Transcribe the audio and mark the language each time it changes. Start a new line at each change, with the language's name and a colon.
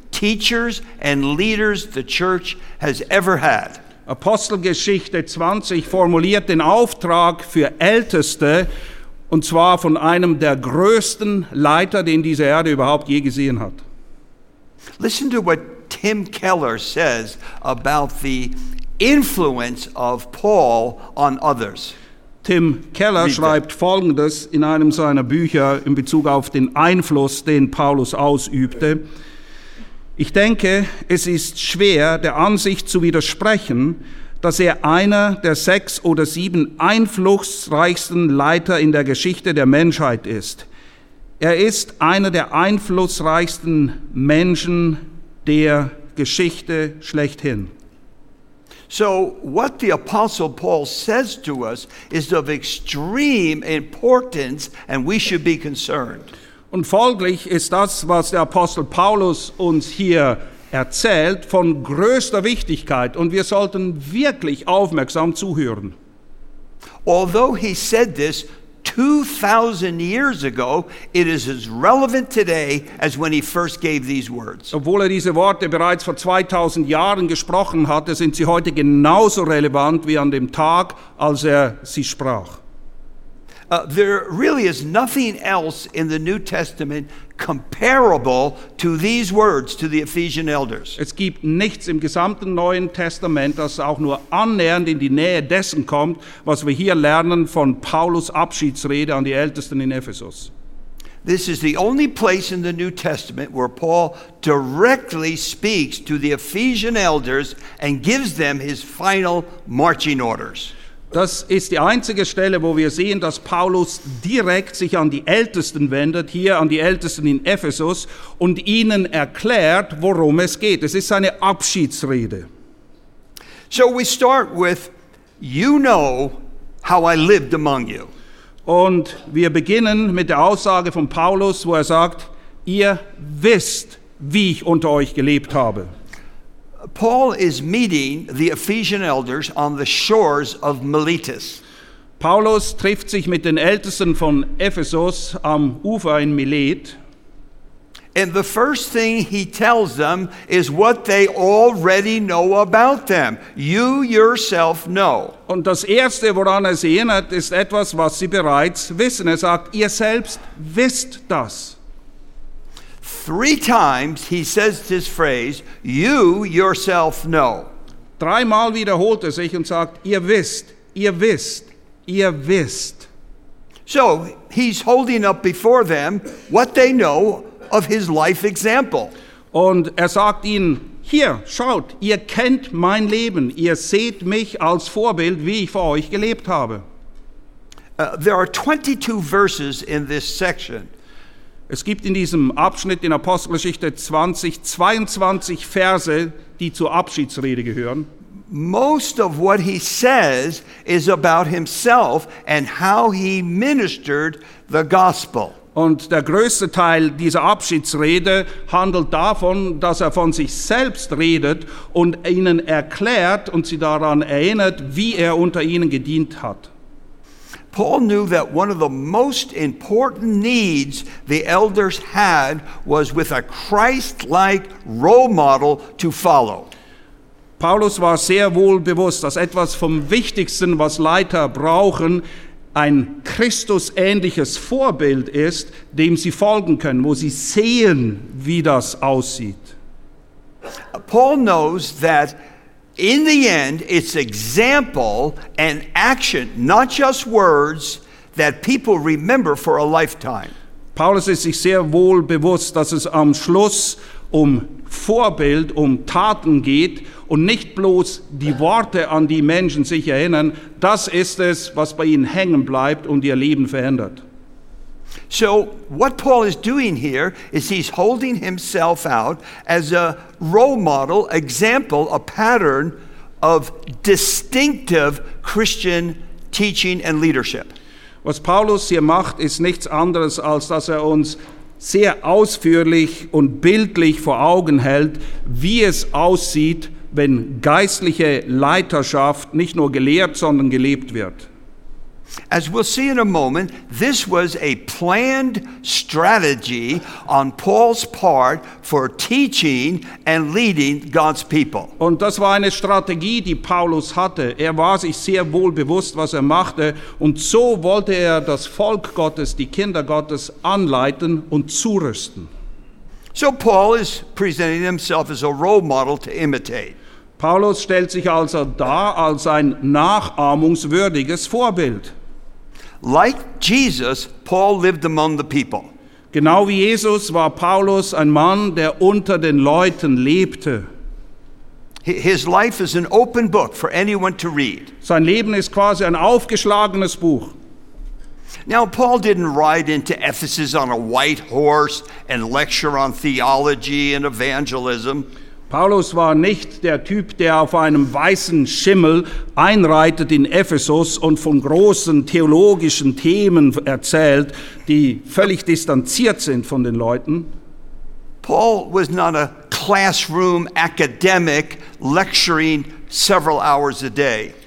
English: teachers and leaders the church has ever had.
German: Apostelgeschichte 20 formuliert den Auftrag für Älteste, und zwar von einem der größten Leiter, den diese Erde überhaupt je gesehen hat.
English: Listen to what Tim Keller says about the influence of Paul on others.
German: Tim Keller schreibt Folgendes in einem seiner Bücher in Bezug auf den Einfluss, den Paulus ausübte. Ich denke, es ist schwer, der Ansicht zu widersprechen, dass er einer der 6 oder 7 einflussreichsten Leiter in der Geschichte der Menschheit ist. Er ist einer der einflussreichsten Menschen der Geschichte schlechthin.
English: So what the Apostle Paul says to us is of extreme importance and we should be concerned.
German: Und folglich ist das, was der Apostel Paulus uns hier erzählt, von größter Wichtigkeit und wir sollten wirklich aufmerksam zuhören.
English: Although he said this 2000 years ago, it is as relevant today as when he first gave these words.
German: Obwohl er diese Worte bereits vor 2000 Jahren gesprochen hatte, sind sie heute genauso relevant wie an dem Tag, als er sie sprach.
English: There really is nothing else in the New Testament comparable to these words to the Ephesian elders.
German: Es gibt nichts im gesamten Neuen Testament, das auch nur annähernd in die Nähe dessen kommt, was wir hier lernen von Paulus Abschiedsrede an die Ältesten in Ephesus.
English: This is the only place in the New Testament where Paul directly speaks to the Ephesian elders and gives them his final marching orders.
German: Das ist die einzige Stelle, wo wir sehen, dass Paulus direkt sich an die Ältesten wendet, hier an die Ältesten in Ephesus, und ihnen erklärt, worum es geht. Es ist seine Abschiedsrede.
English: So we start with, you know how I lived among you.
German: Und wir beginnen mit der Aussage von Paulus, wo er sagt, ihr wisst, wie ich unter euch gelebt habe.
English: Paul is meeting the Ephesian elders on the shores of Miletus.
German: Paulus trifft sich mit den Ältesten von Ephesus am Ufer in Milet.
English: And the first thing he tells them is what they already know about them. You yourself know.
German: Und das erste, woran er sie erinnert, ist etwas, was sie bereits wissen. Er sagt, ihr selbst wisst das.
English: Three times he says this phrase, you yourself know.
German: Dreimal wiederholt er sich und sagt, ihr wisst, ihr wisst, ihr wisst.
English: So he's holding up before them what they know of his life example.
German: Und er sagt ihnen, hier, schaut, ihr kennt mein Leben, ihr seht mich als Vorbild, wie ich vor euch gelebt habe.
English: There are 22 verses in this section.
German: Es gibt in diesem Abschnitt in Apostelgeschichte 20 22 Verse, die zur Abschiedsrede gehören.
English: Most of what he says is about himself and how he ministered the gospel.
German: Und der größte Teil dieser Abschiedsrede handelt davon, dass er von sich selbst redet und ihnen erklärt und sie daran erinnert, wie er unter ihnen gedient hat.
English: Paul knew that one of the most important needs the elders had was with a Christ-like role model to follow.
German: Paulus war sehr wohl bewusst, dass etwas vom Wichtigsten, was Leiter brauchen, ein Christus-ähnliches Vorbild ist, dem sie folgen können, wo sie sehen, wie das aussieht.
English: Paul knows that in the end, it's example and action, not just words, that people remember for a lifetime.
German: Paulus ist sich sehr wohl bewusst, dass es am Schluss um Vorbild, um Taten geht und nicht bloß die Worte, an die Menschen sich erinnern. Das ist es, was bei ihnen hängen bleibt und ihr Leben verändert.
English: So what Paul is doing here is he's holding himself out as a role model, example, a pattern of distinctive Christian teaching and leadership.
German: Was Paulus hier macht, ist nichts anderes, als dass er uns sehr ausführlich und bildlich vor Augen hält, wie es aussieht, wenn geistliche Leiterschaft nicht nur gelehrt, sondern gelebt wird.
English: As we'll see in a moment, this was a planned strategy on Paul's part for teaching and leading God's people.
German: Und das war eine Strategie, die Paulus hatte. Er war sich sehr wohl bewusst, was er machte, und so wollte er das Volk Gottes, die Kinder Gottes, anleiten und zurüsten.
English: So Paul is presenting himself as a role model to imitate.
German: Paulus stellt sich also dar als ein nachahmungswürdiges Vorbild.
English: Like Jesus, Paul lived among the people.
German: Genau wie Jesus war Paulus ein Mann, der unter den Leuten lebte.
English: His life is an open book for anyone to read.
German: Sein Leben ist quasi ein aufgeschlagenes Buch.
English: Now, Paul didn't ride into Ephesus on a white horse and lecture on theology and evangelism.
German: Paulus war nicht der Typ, der auf einem weißen Schimmel einreitet in Ephesus und von großen theologischen Themen erzählt, die völlig distanziert sind von den Leuten.
English: Paul was not a classroom academic lecturing several hours a day.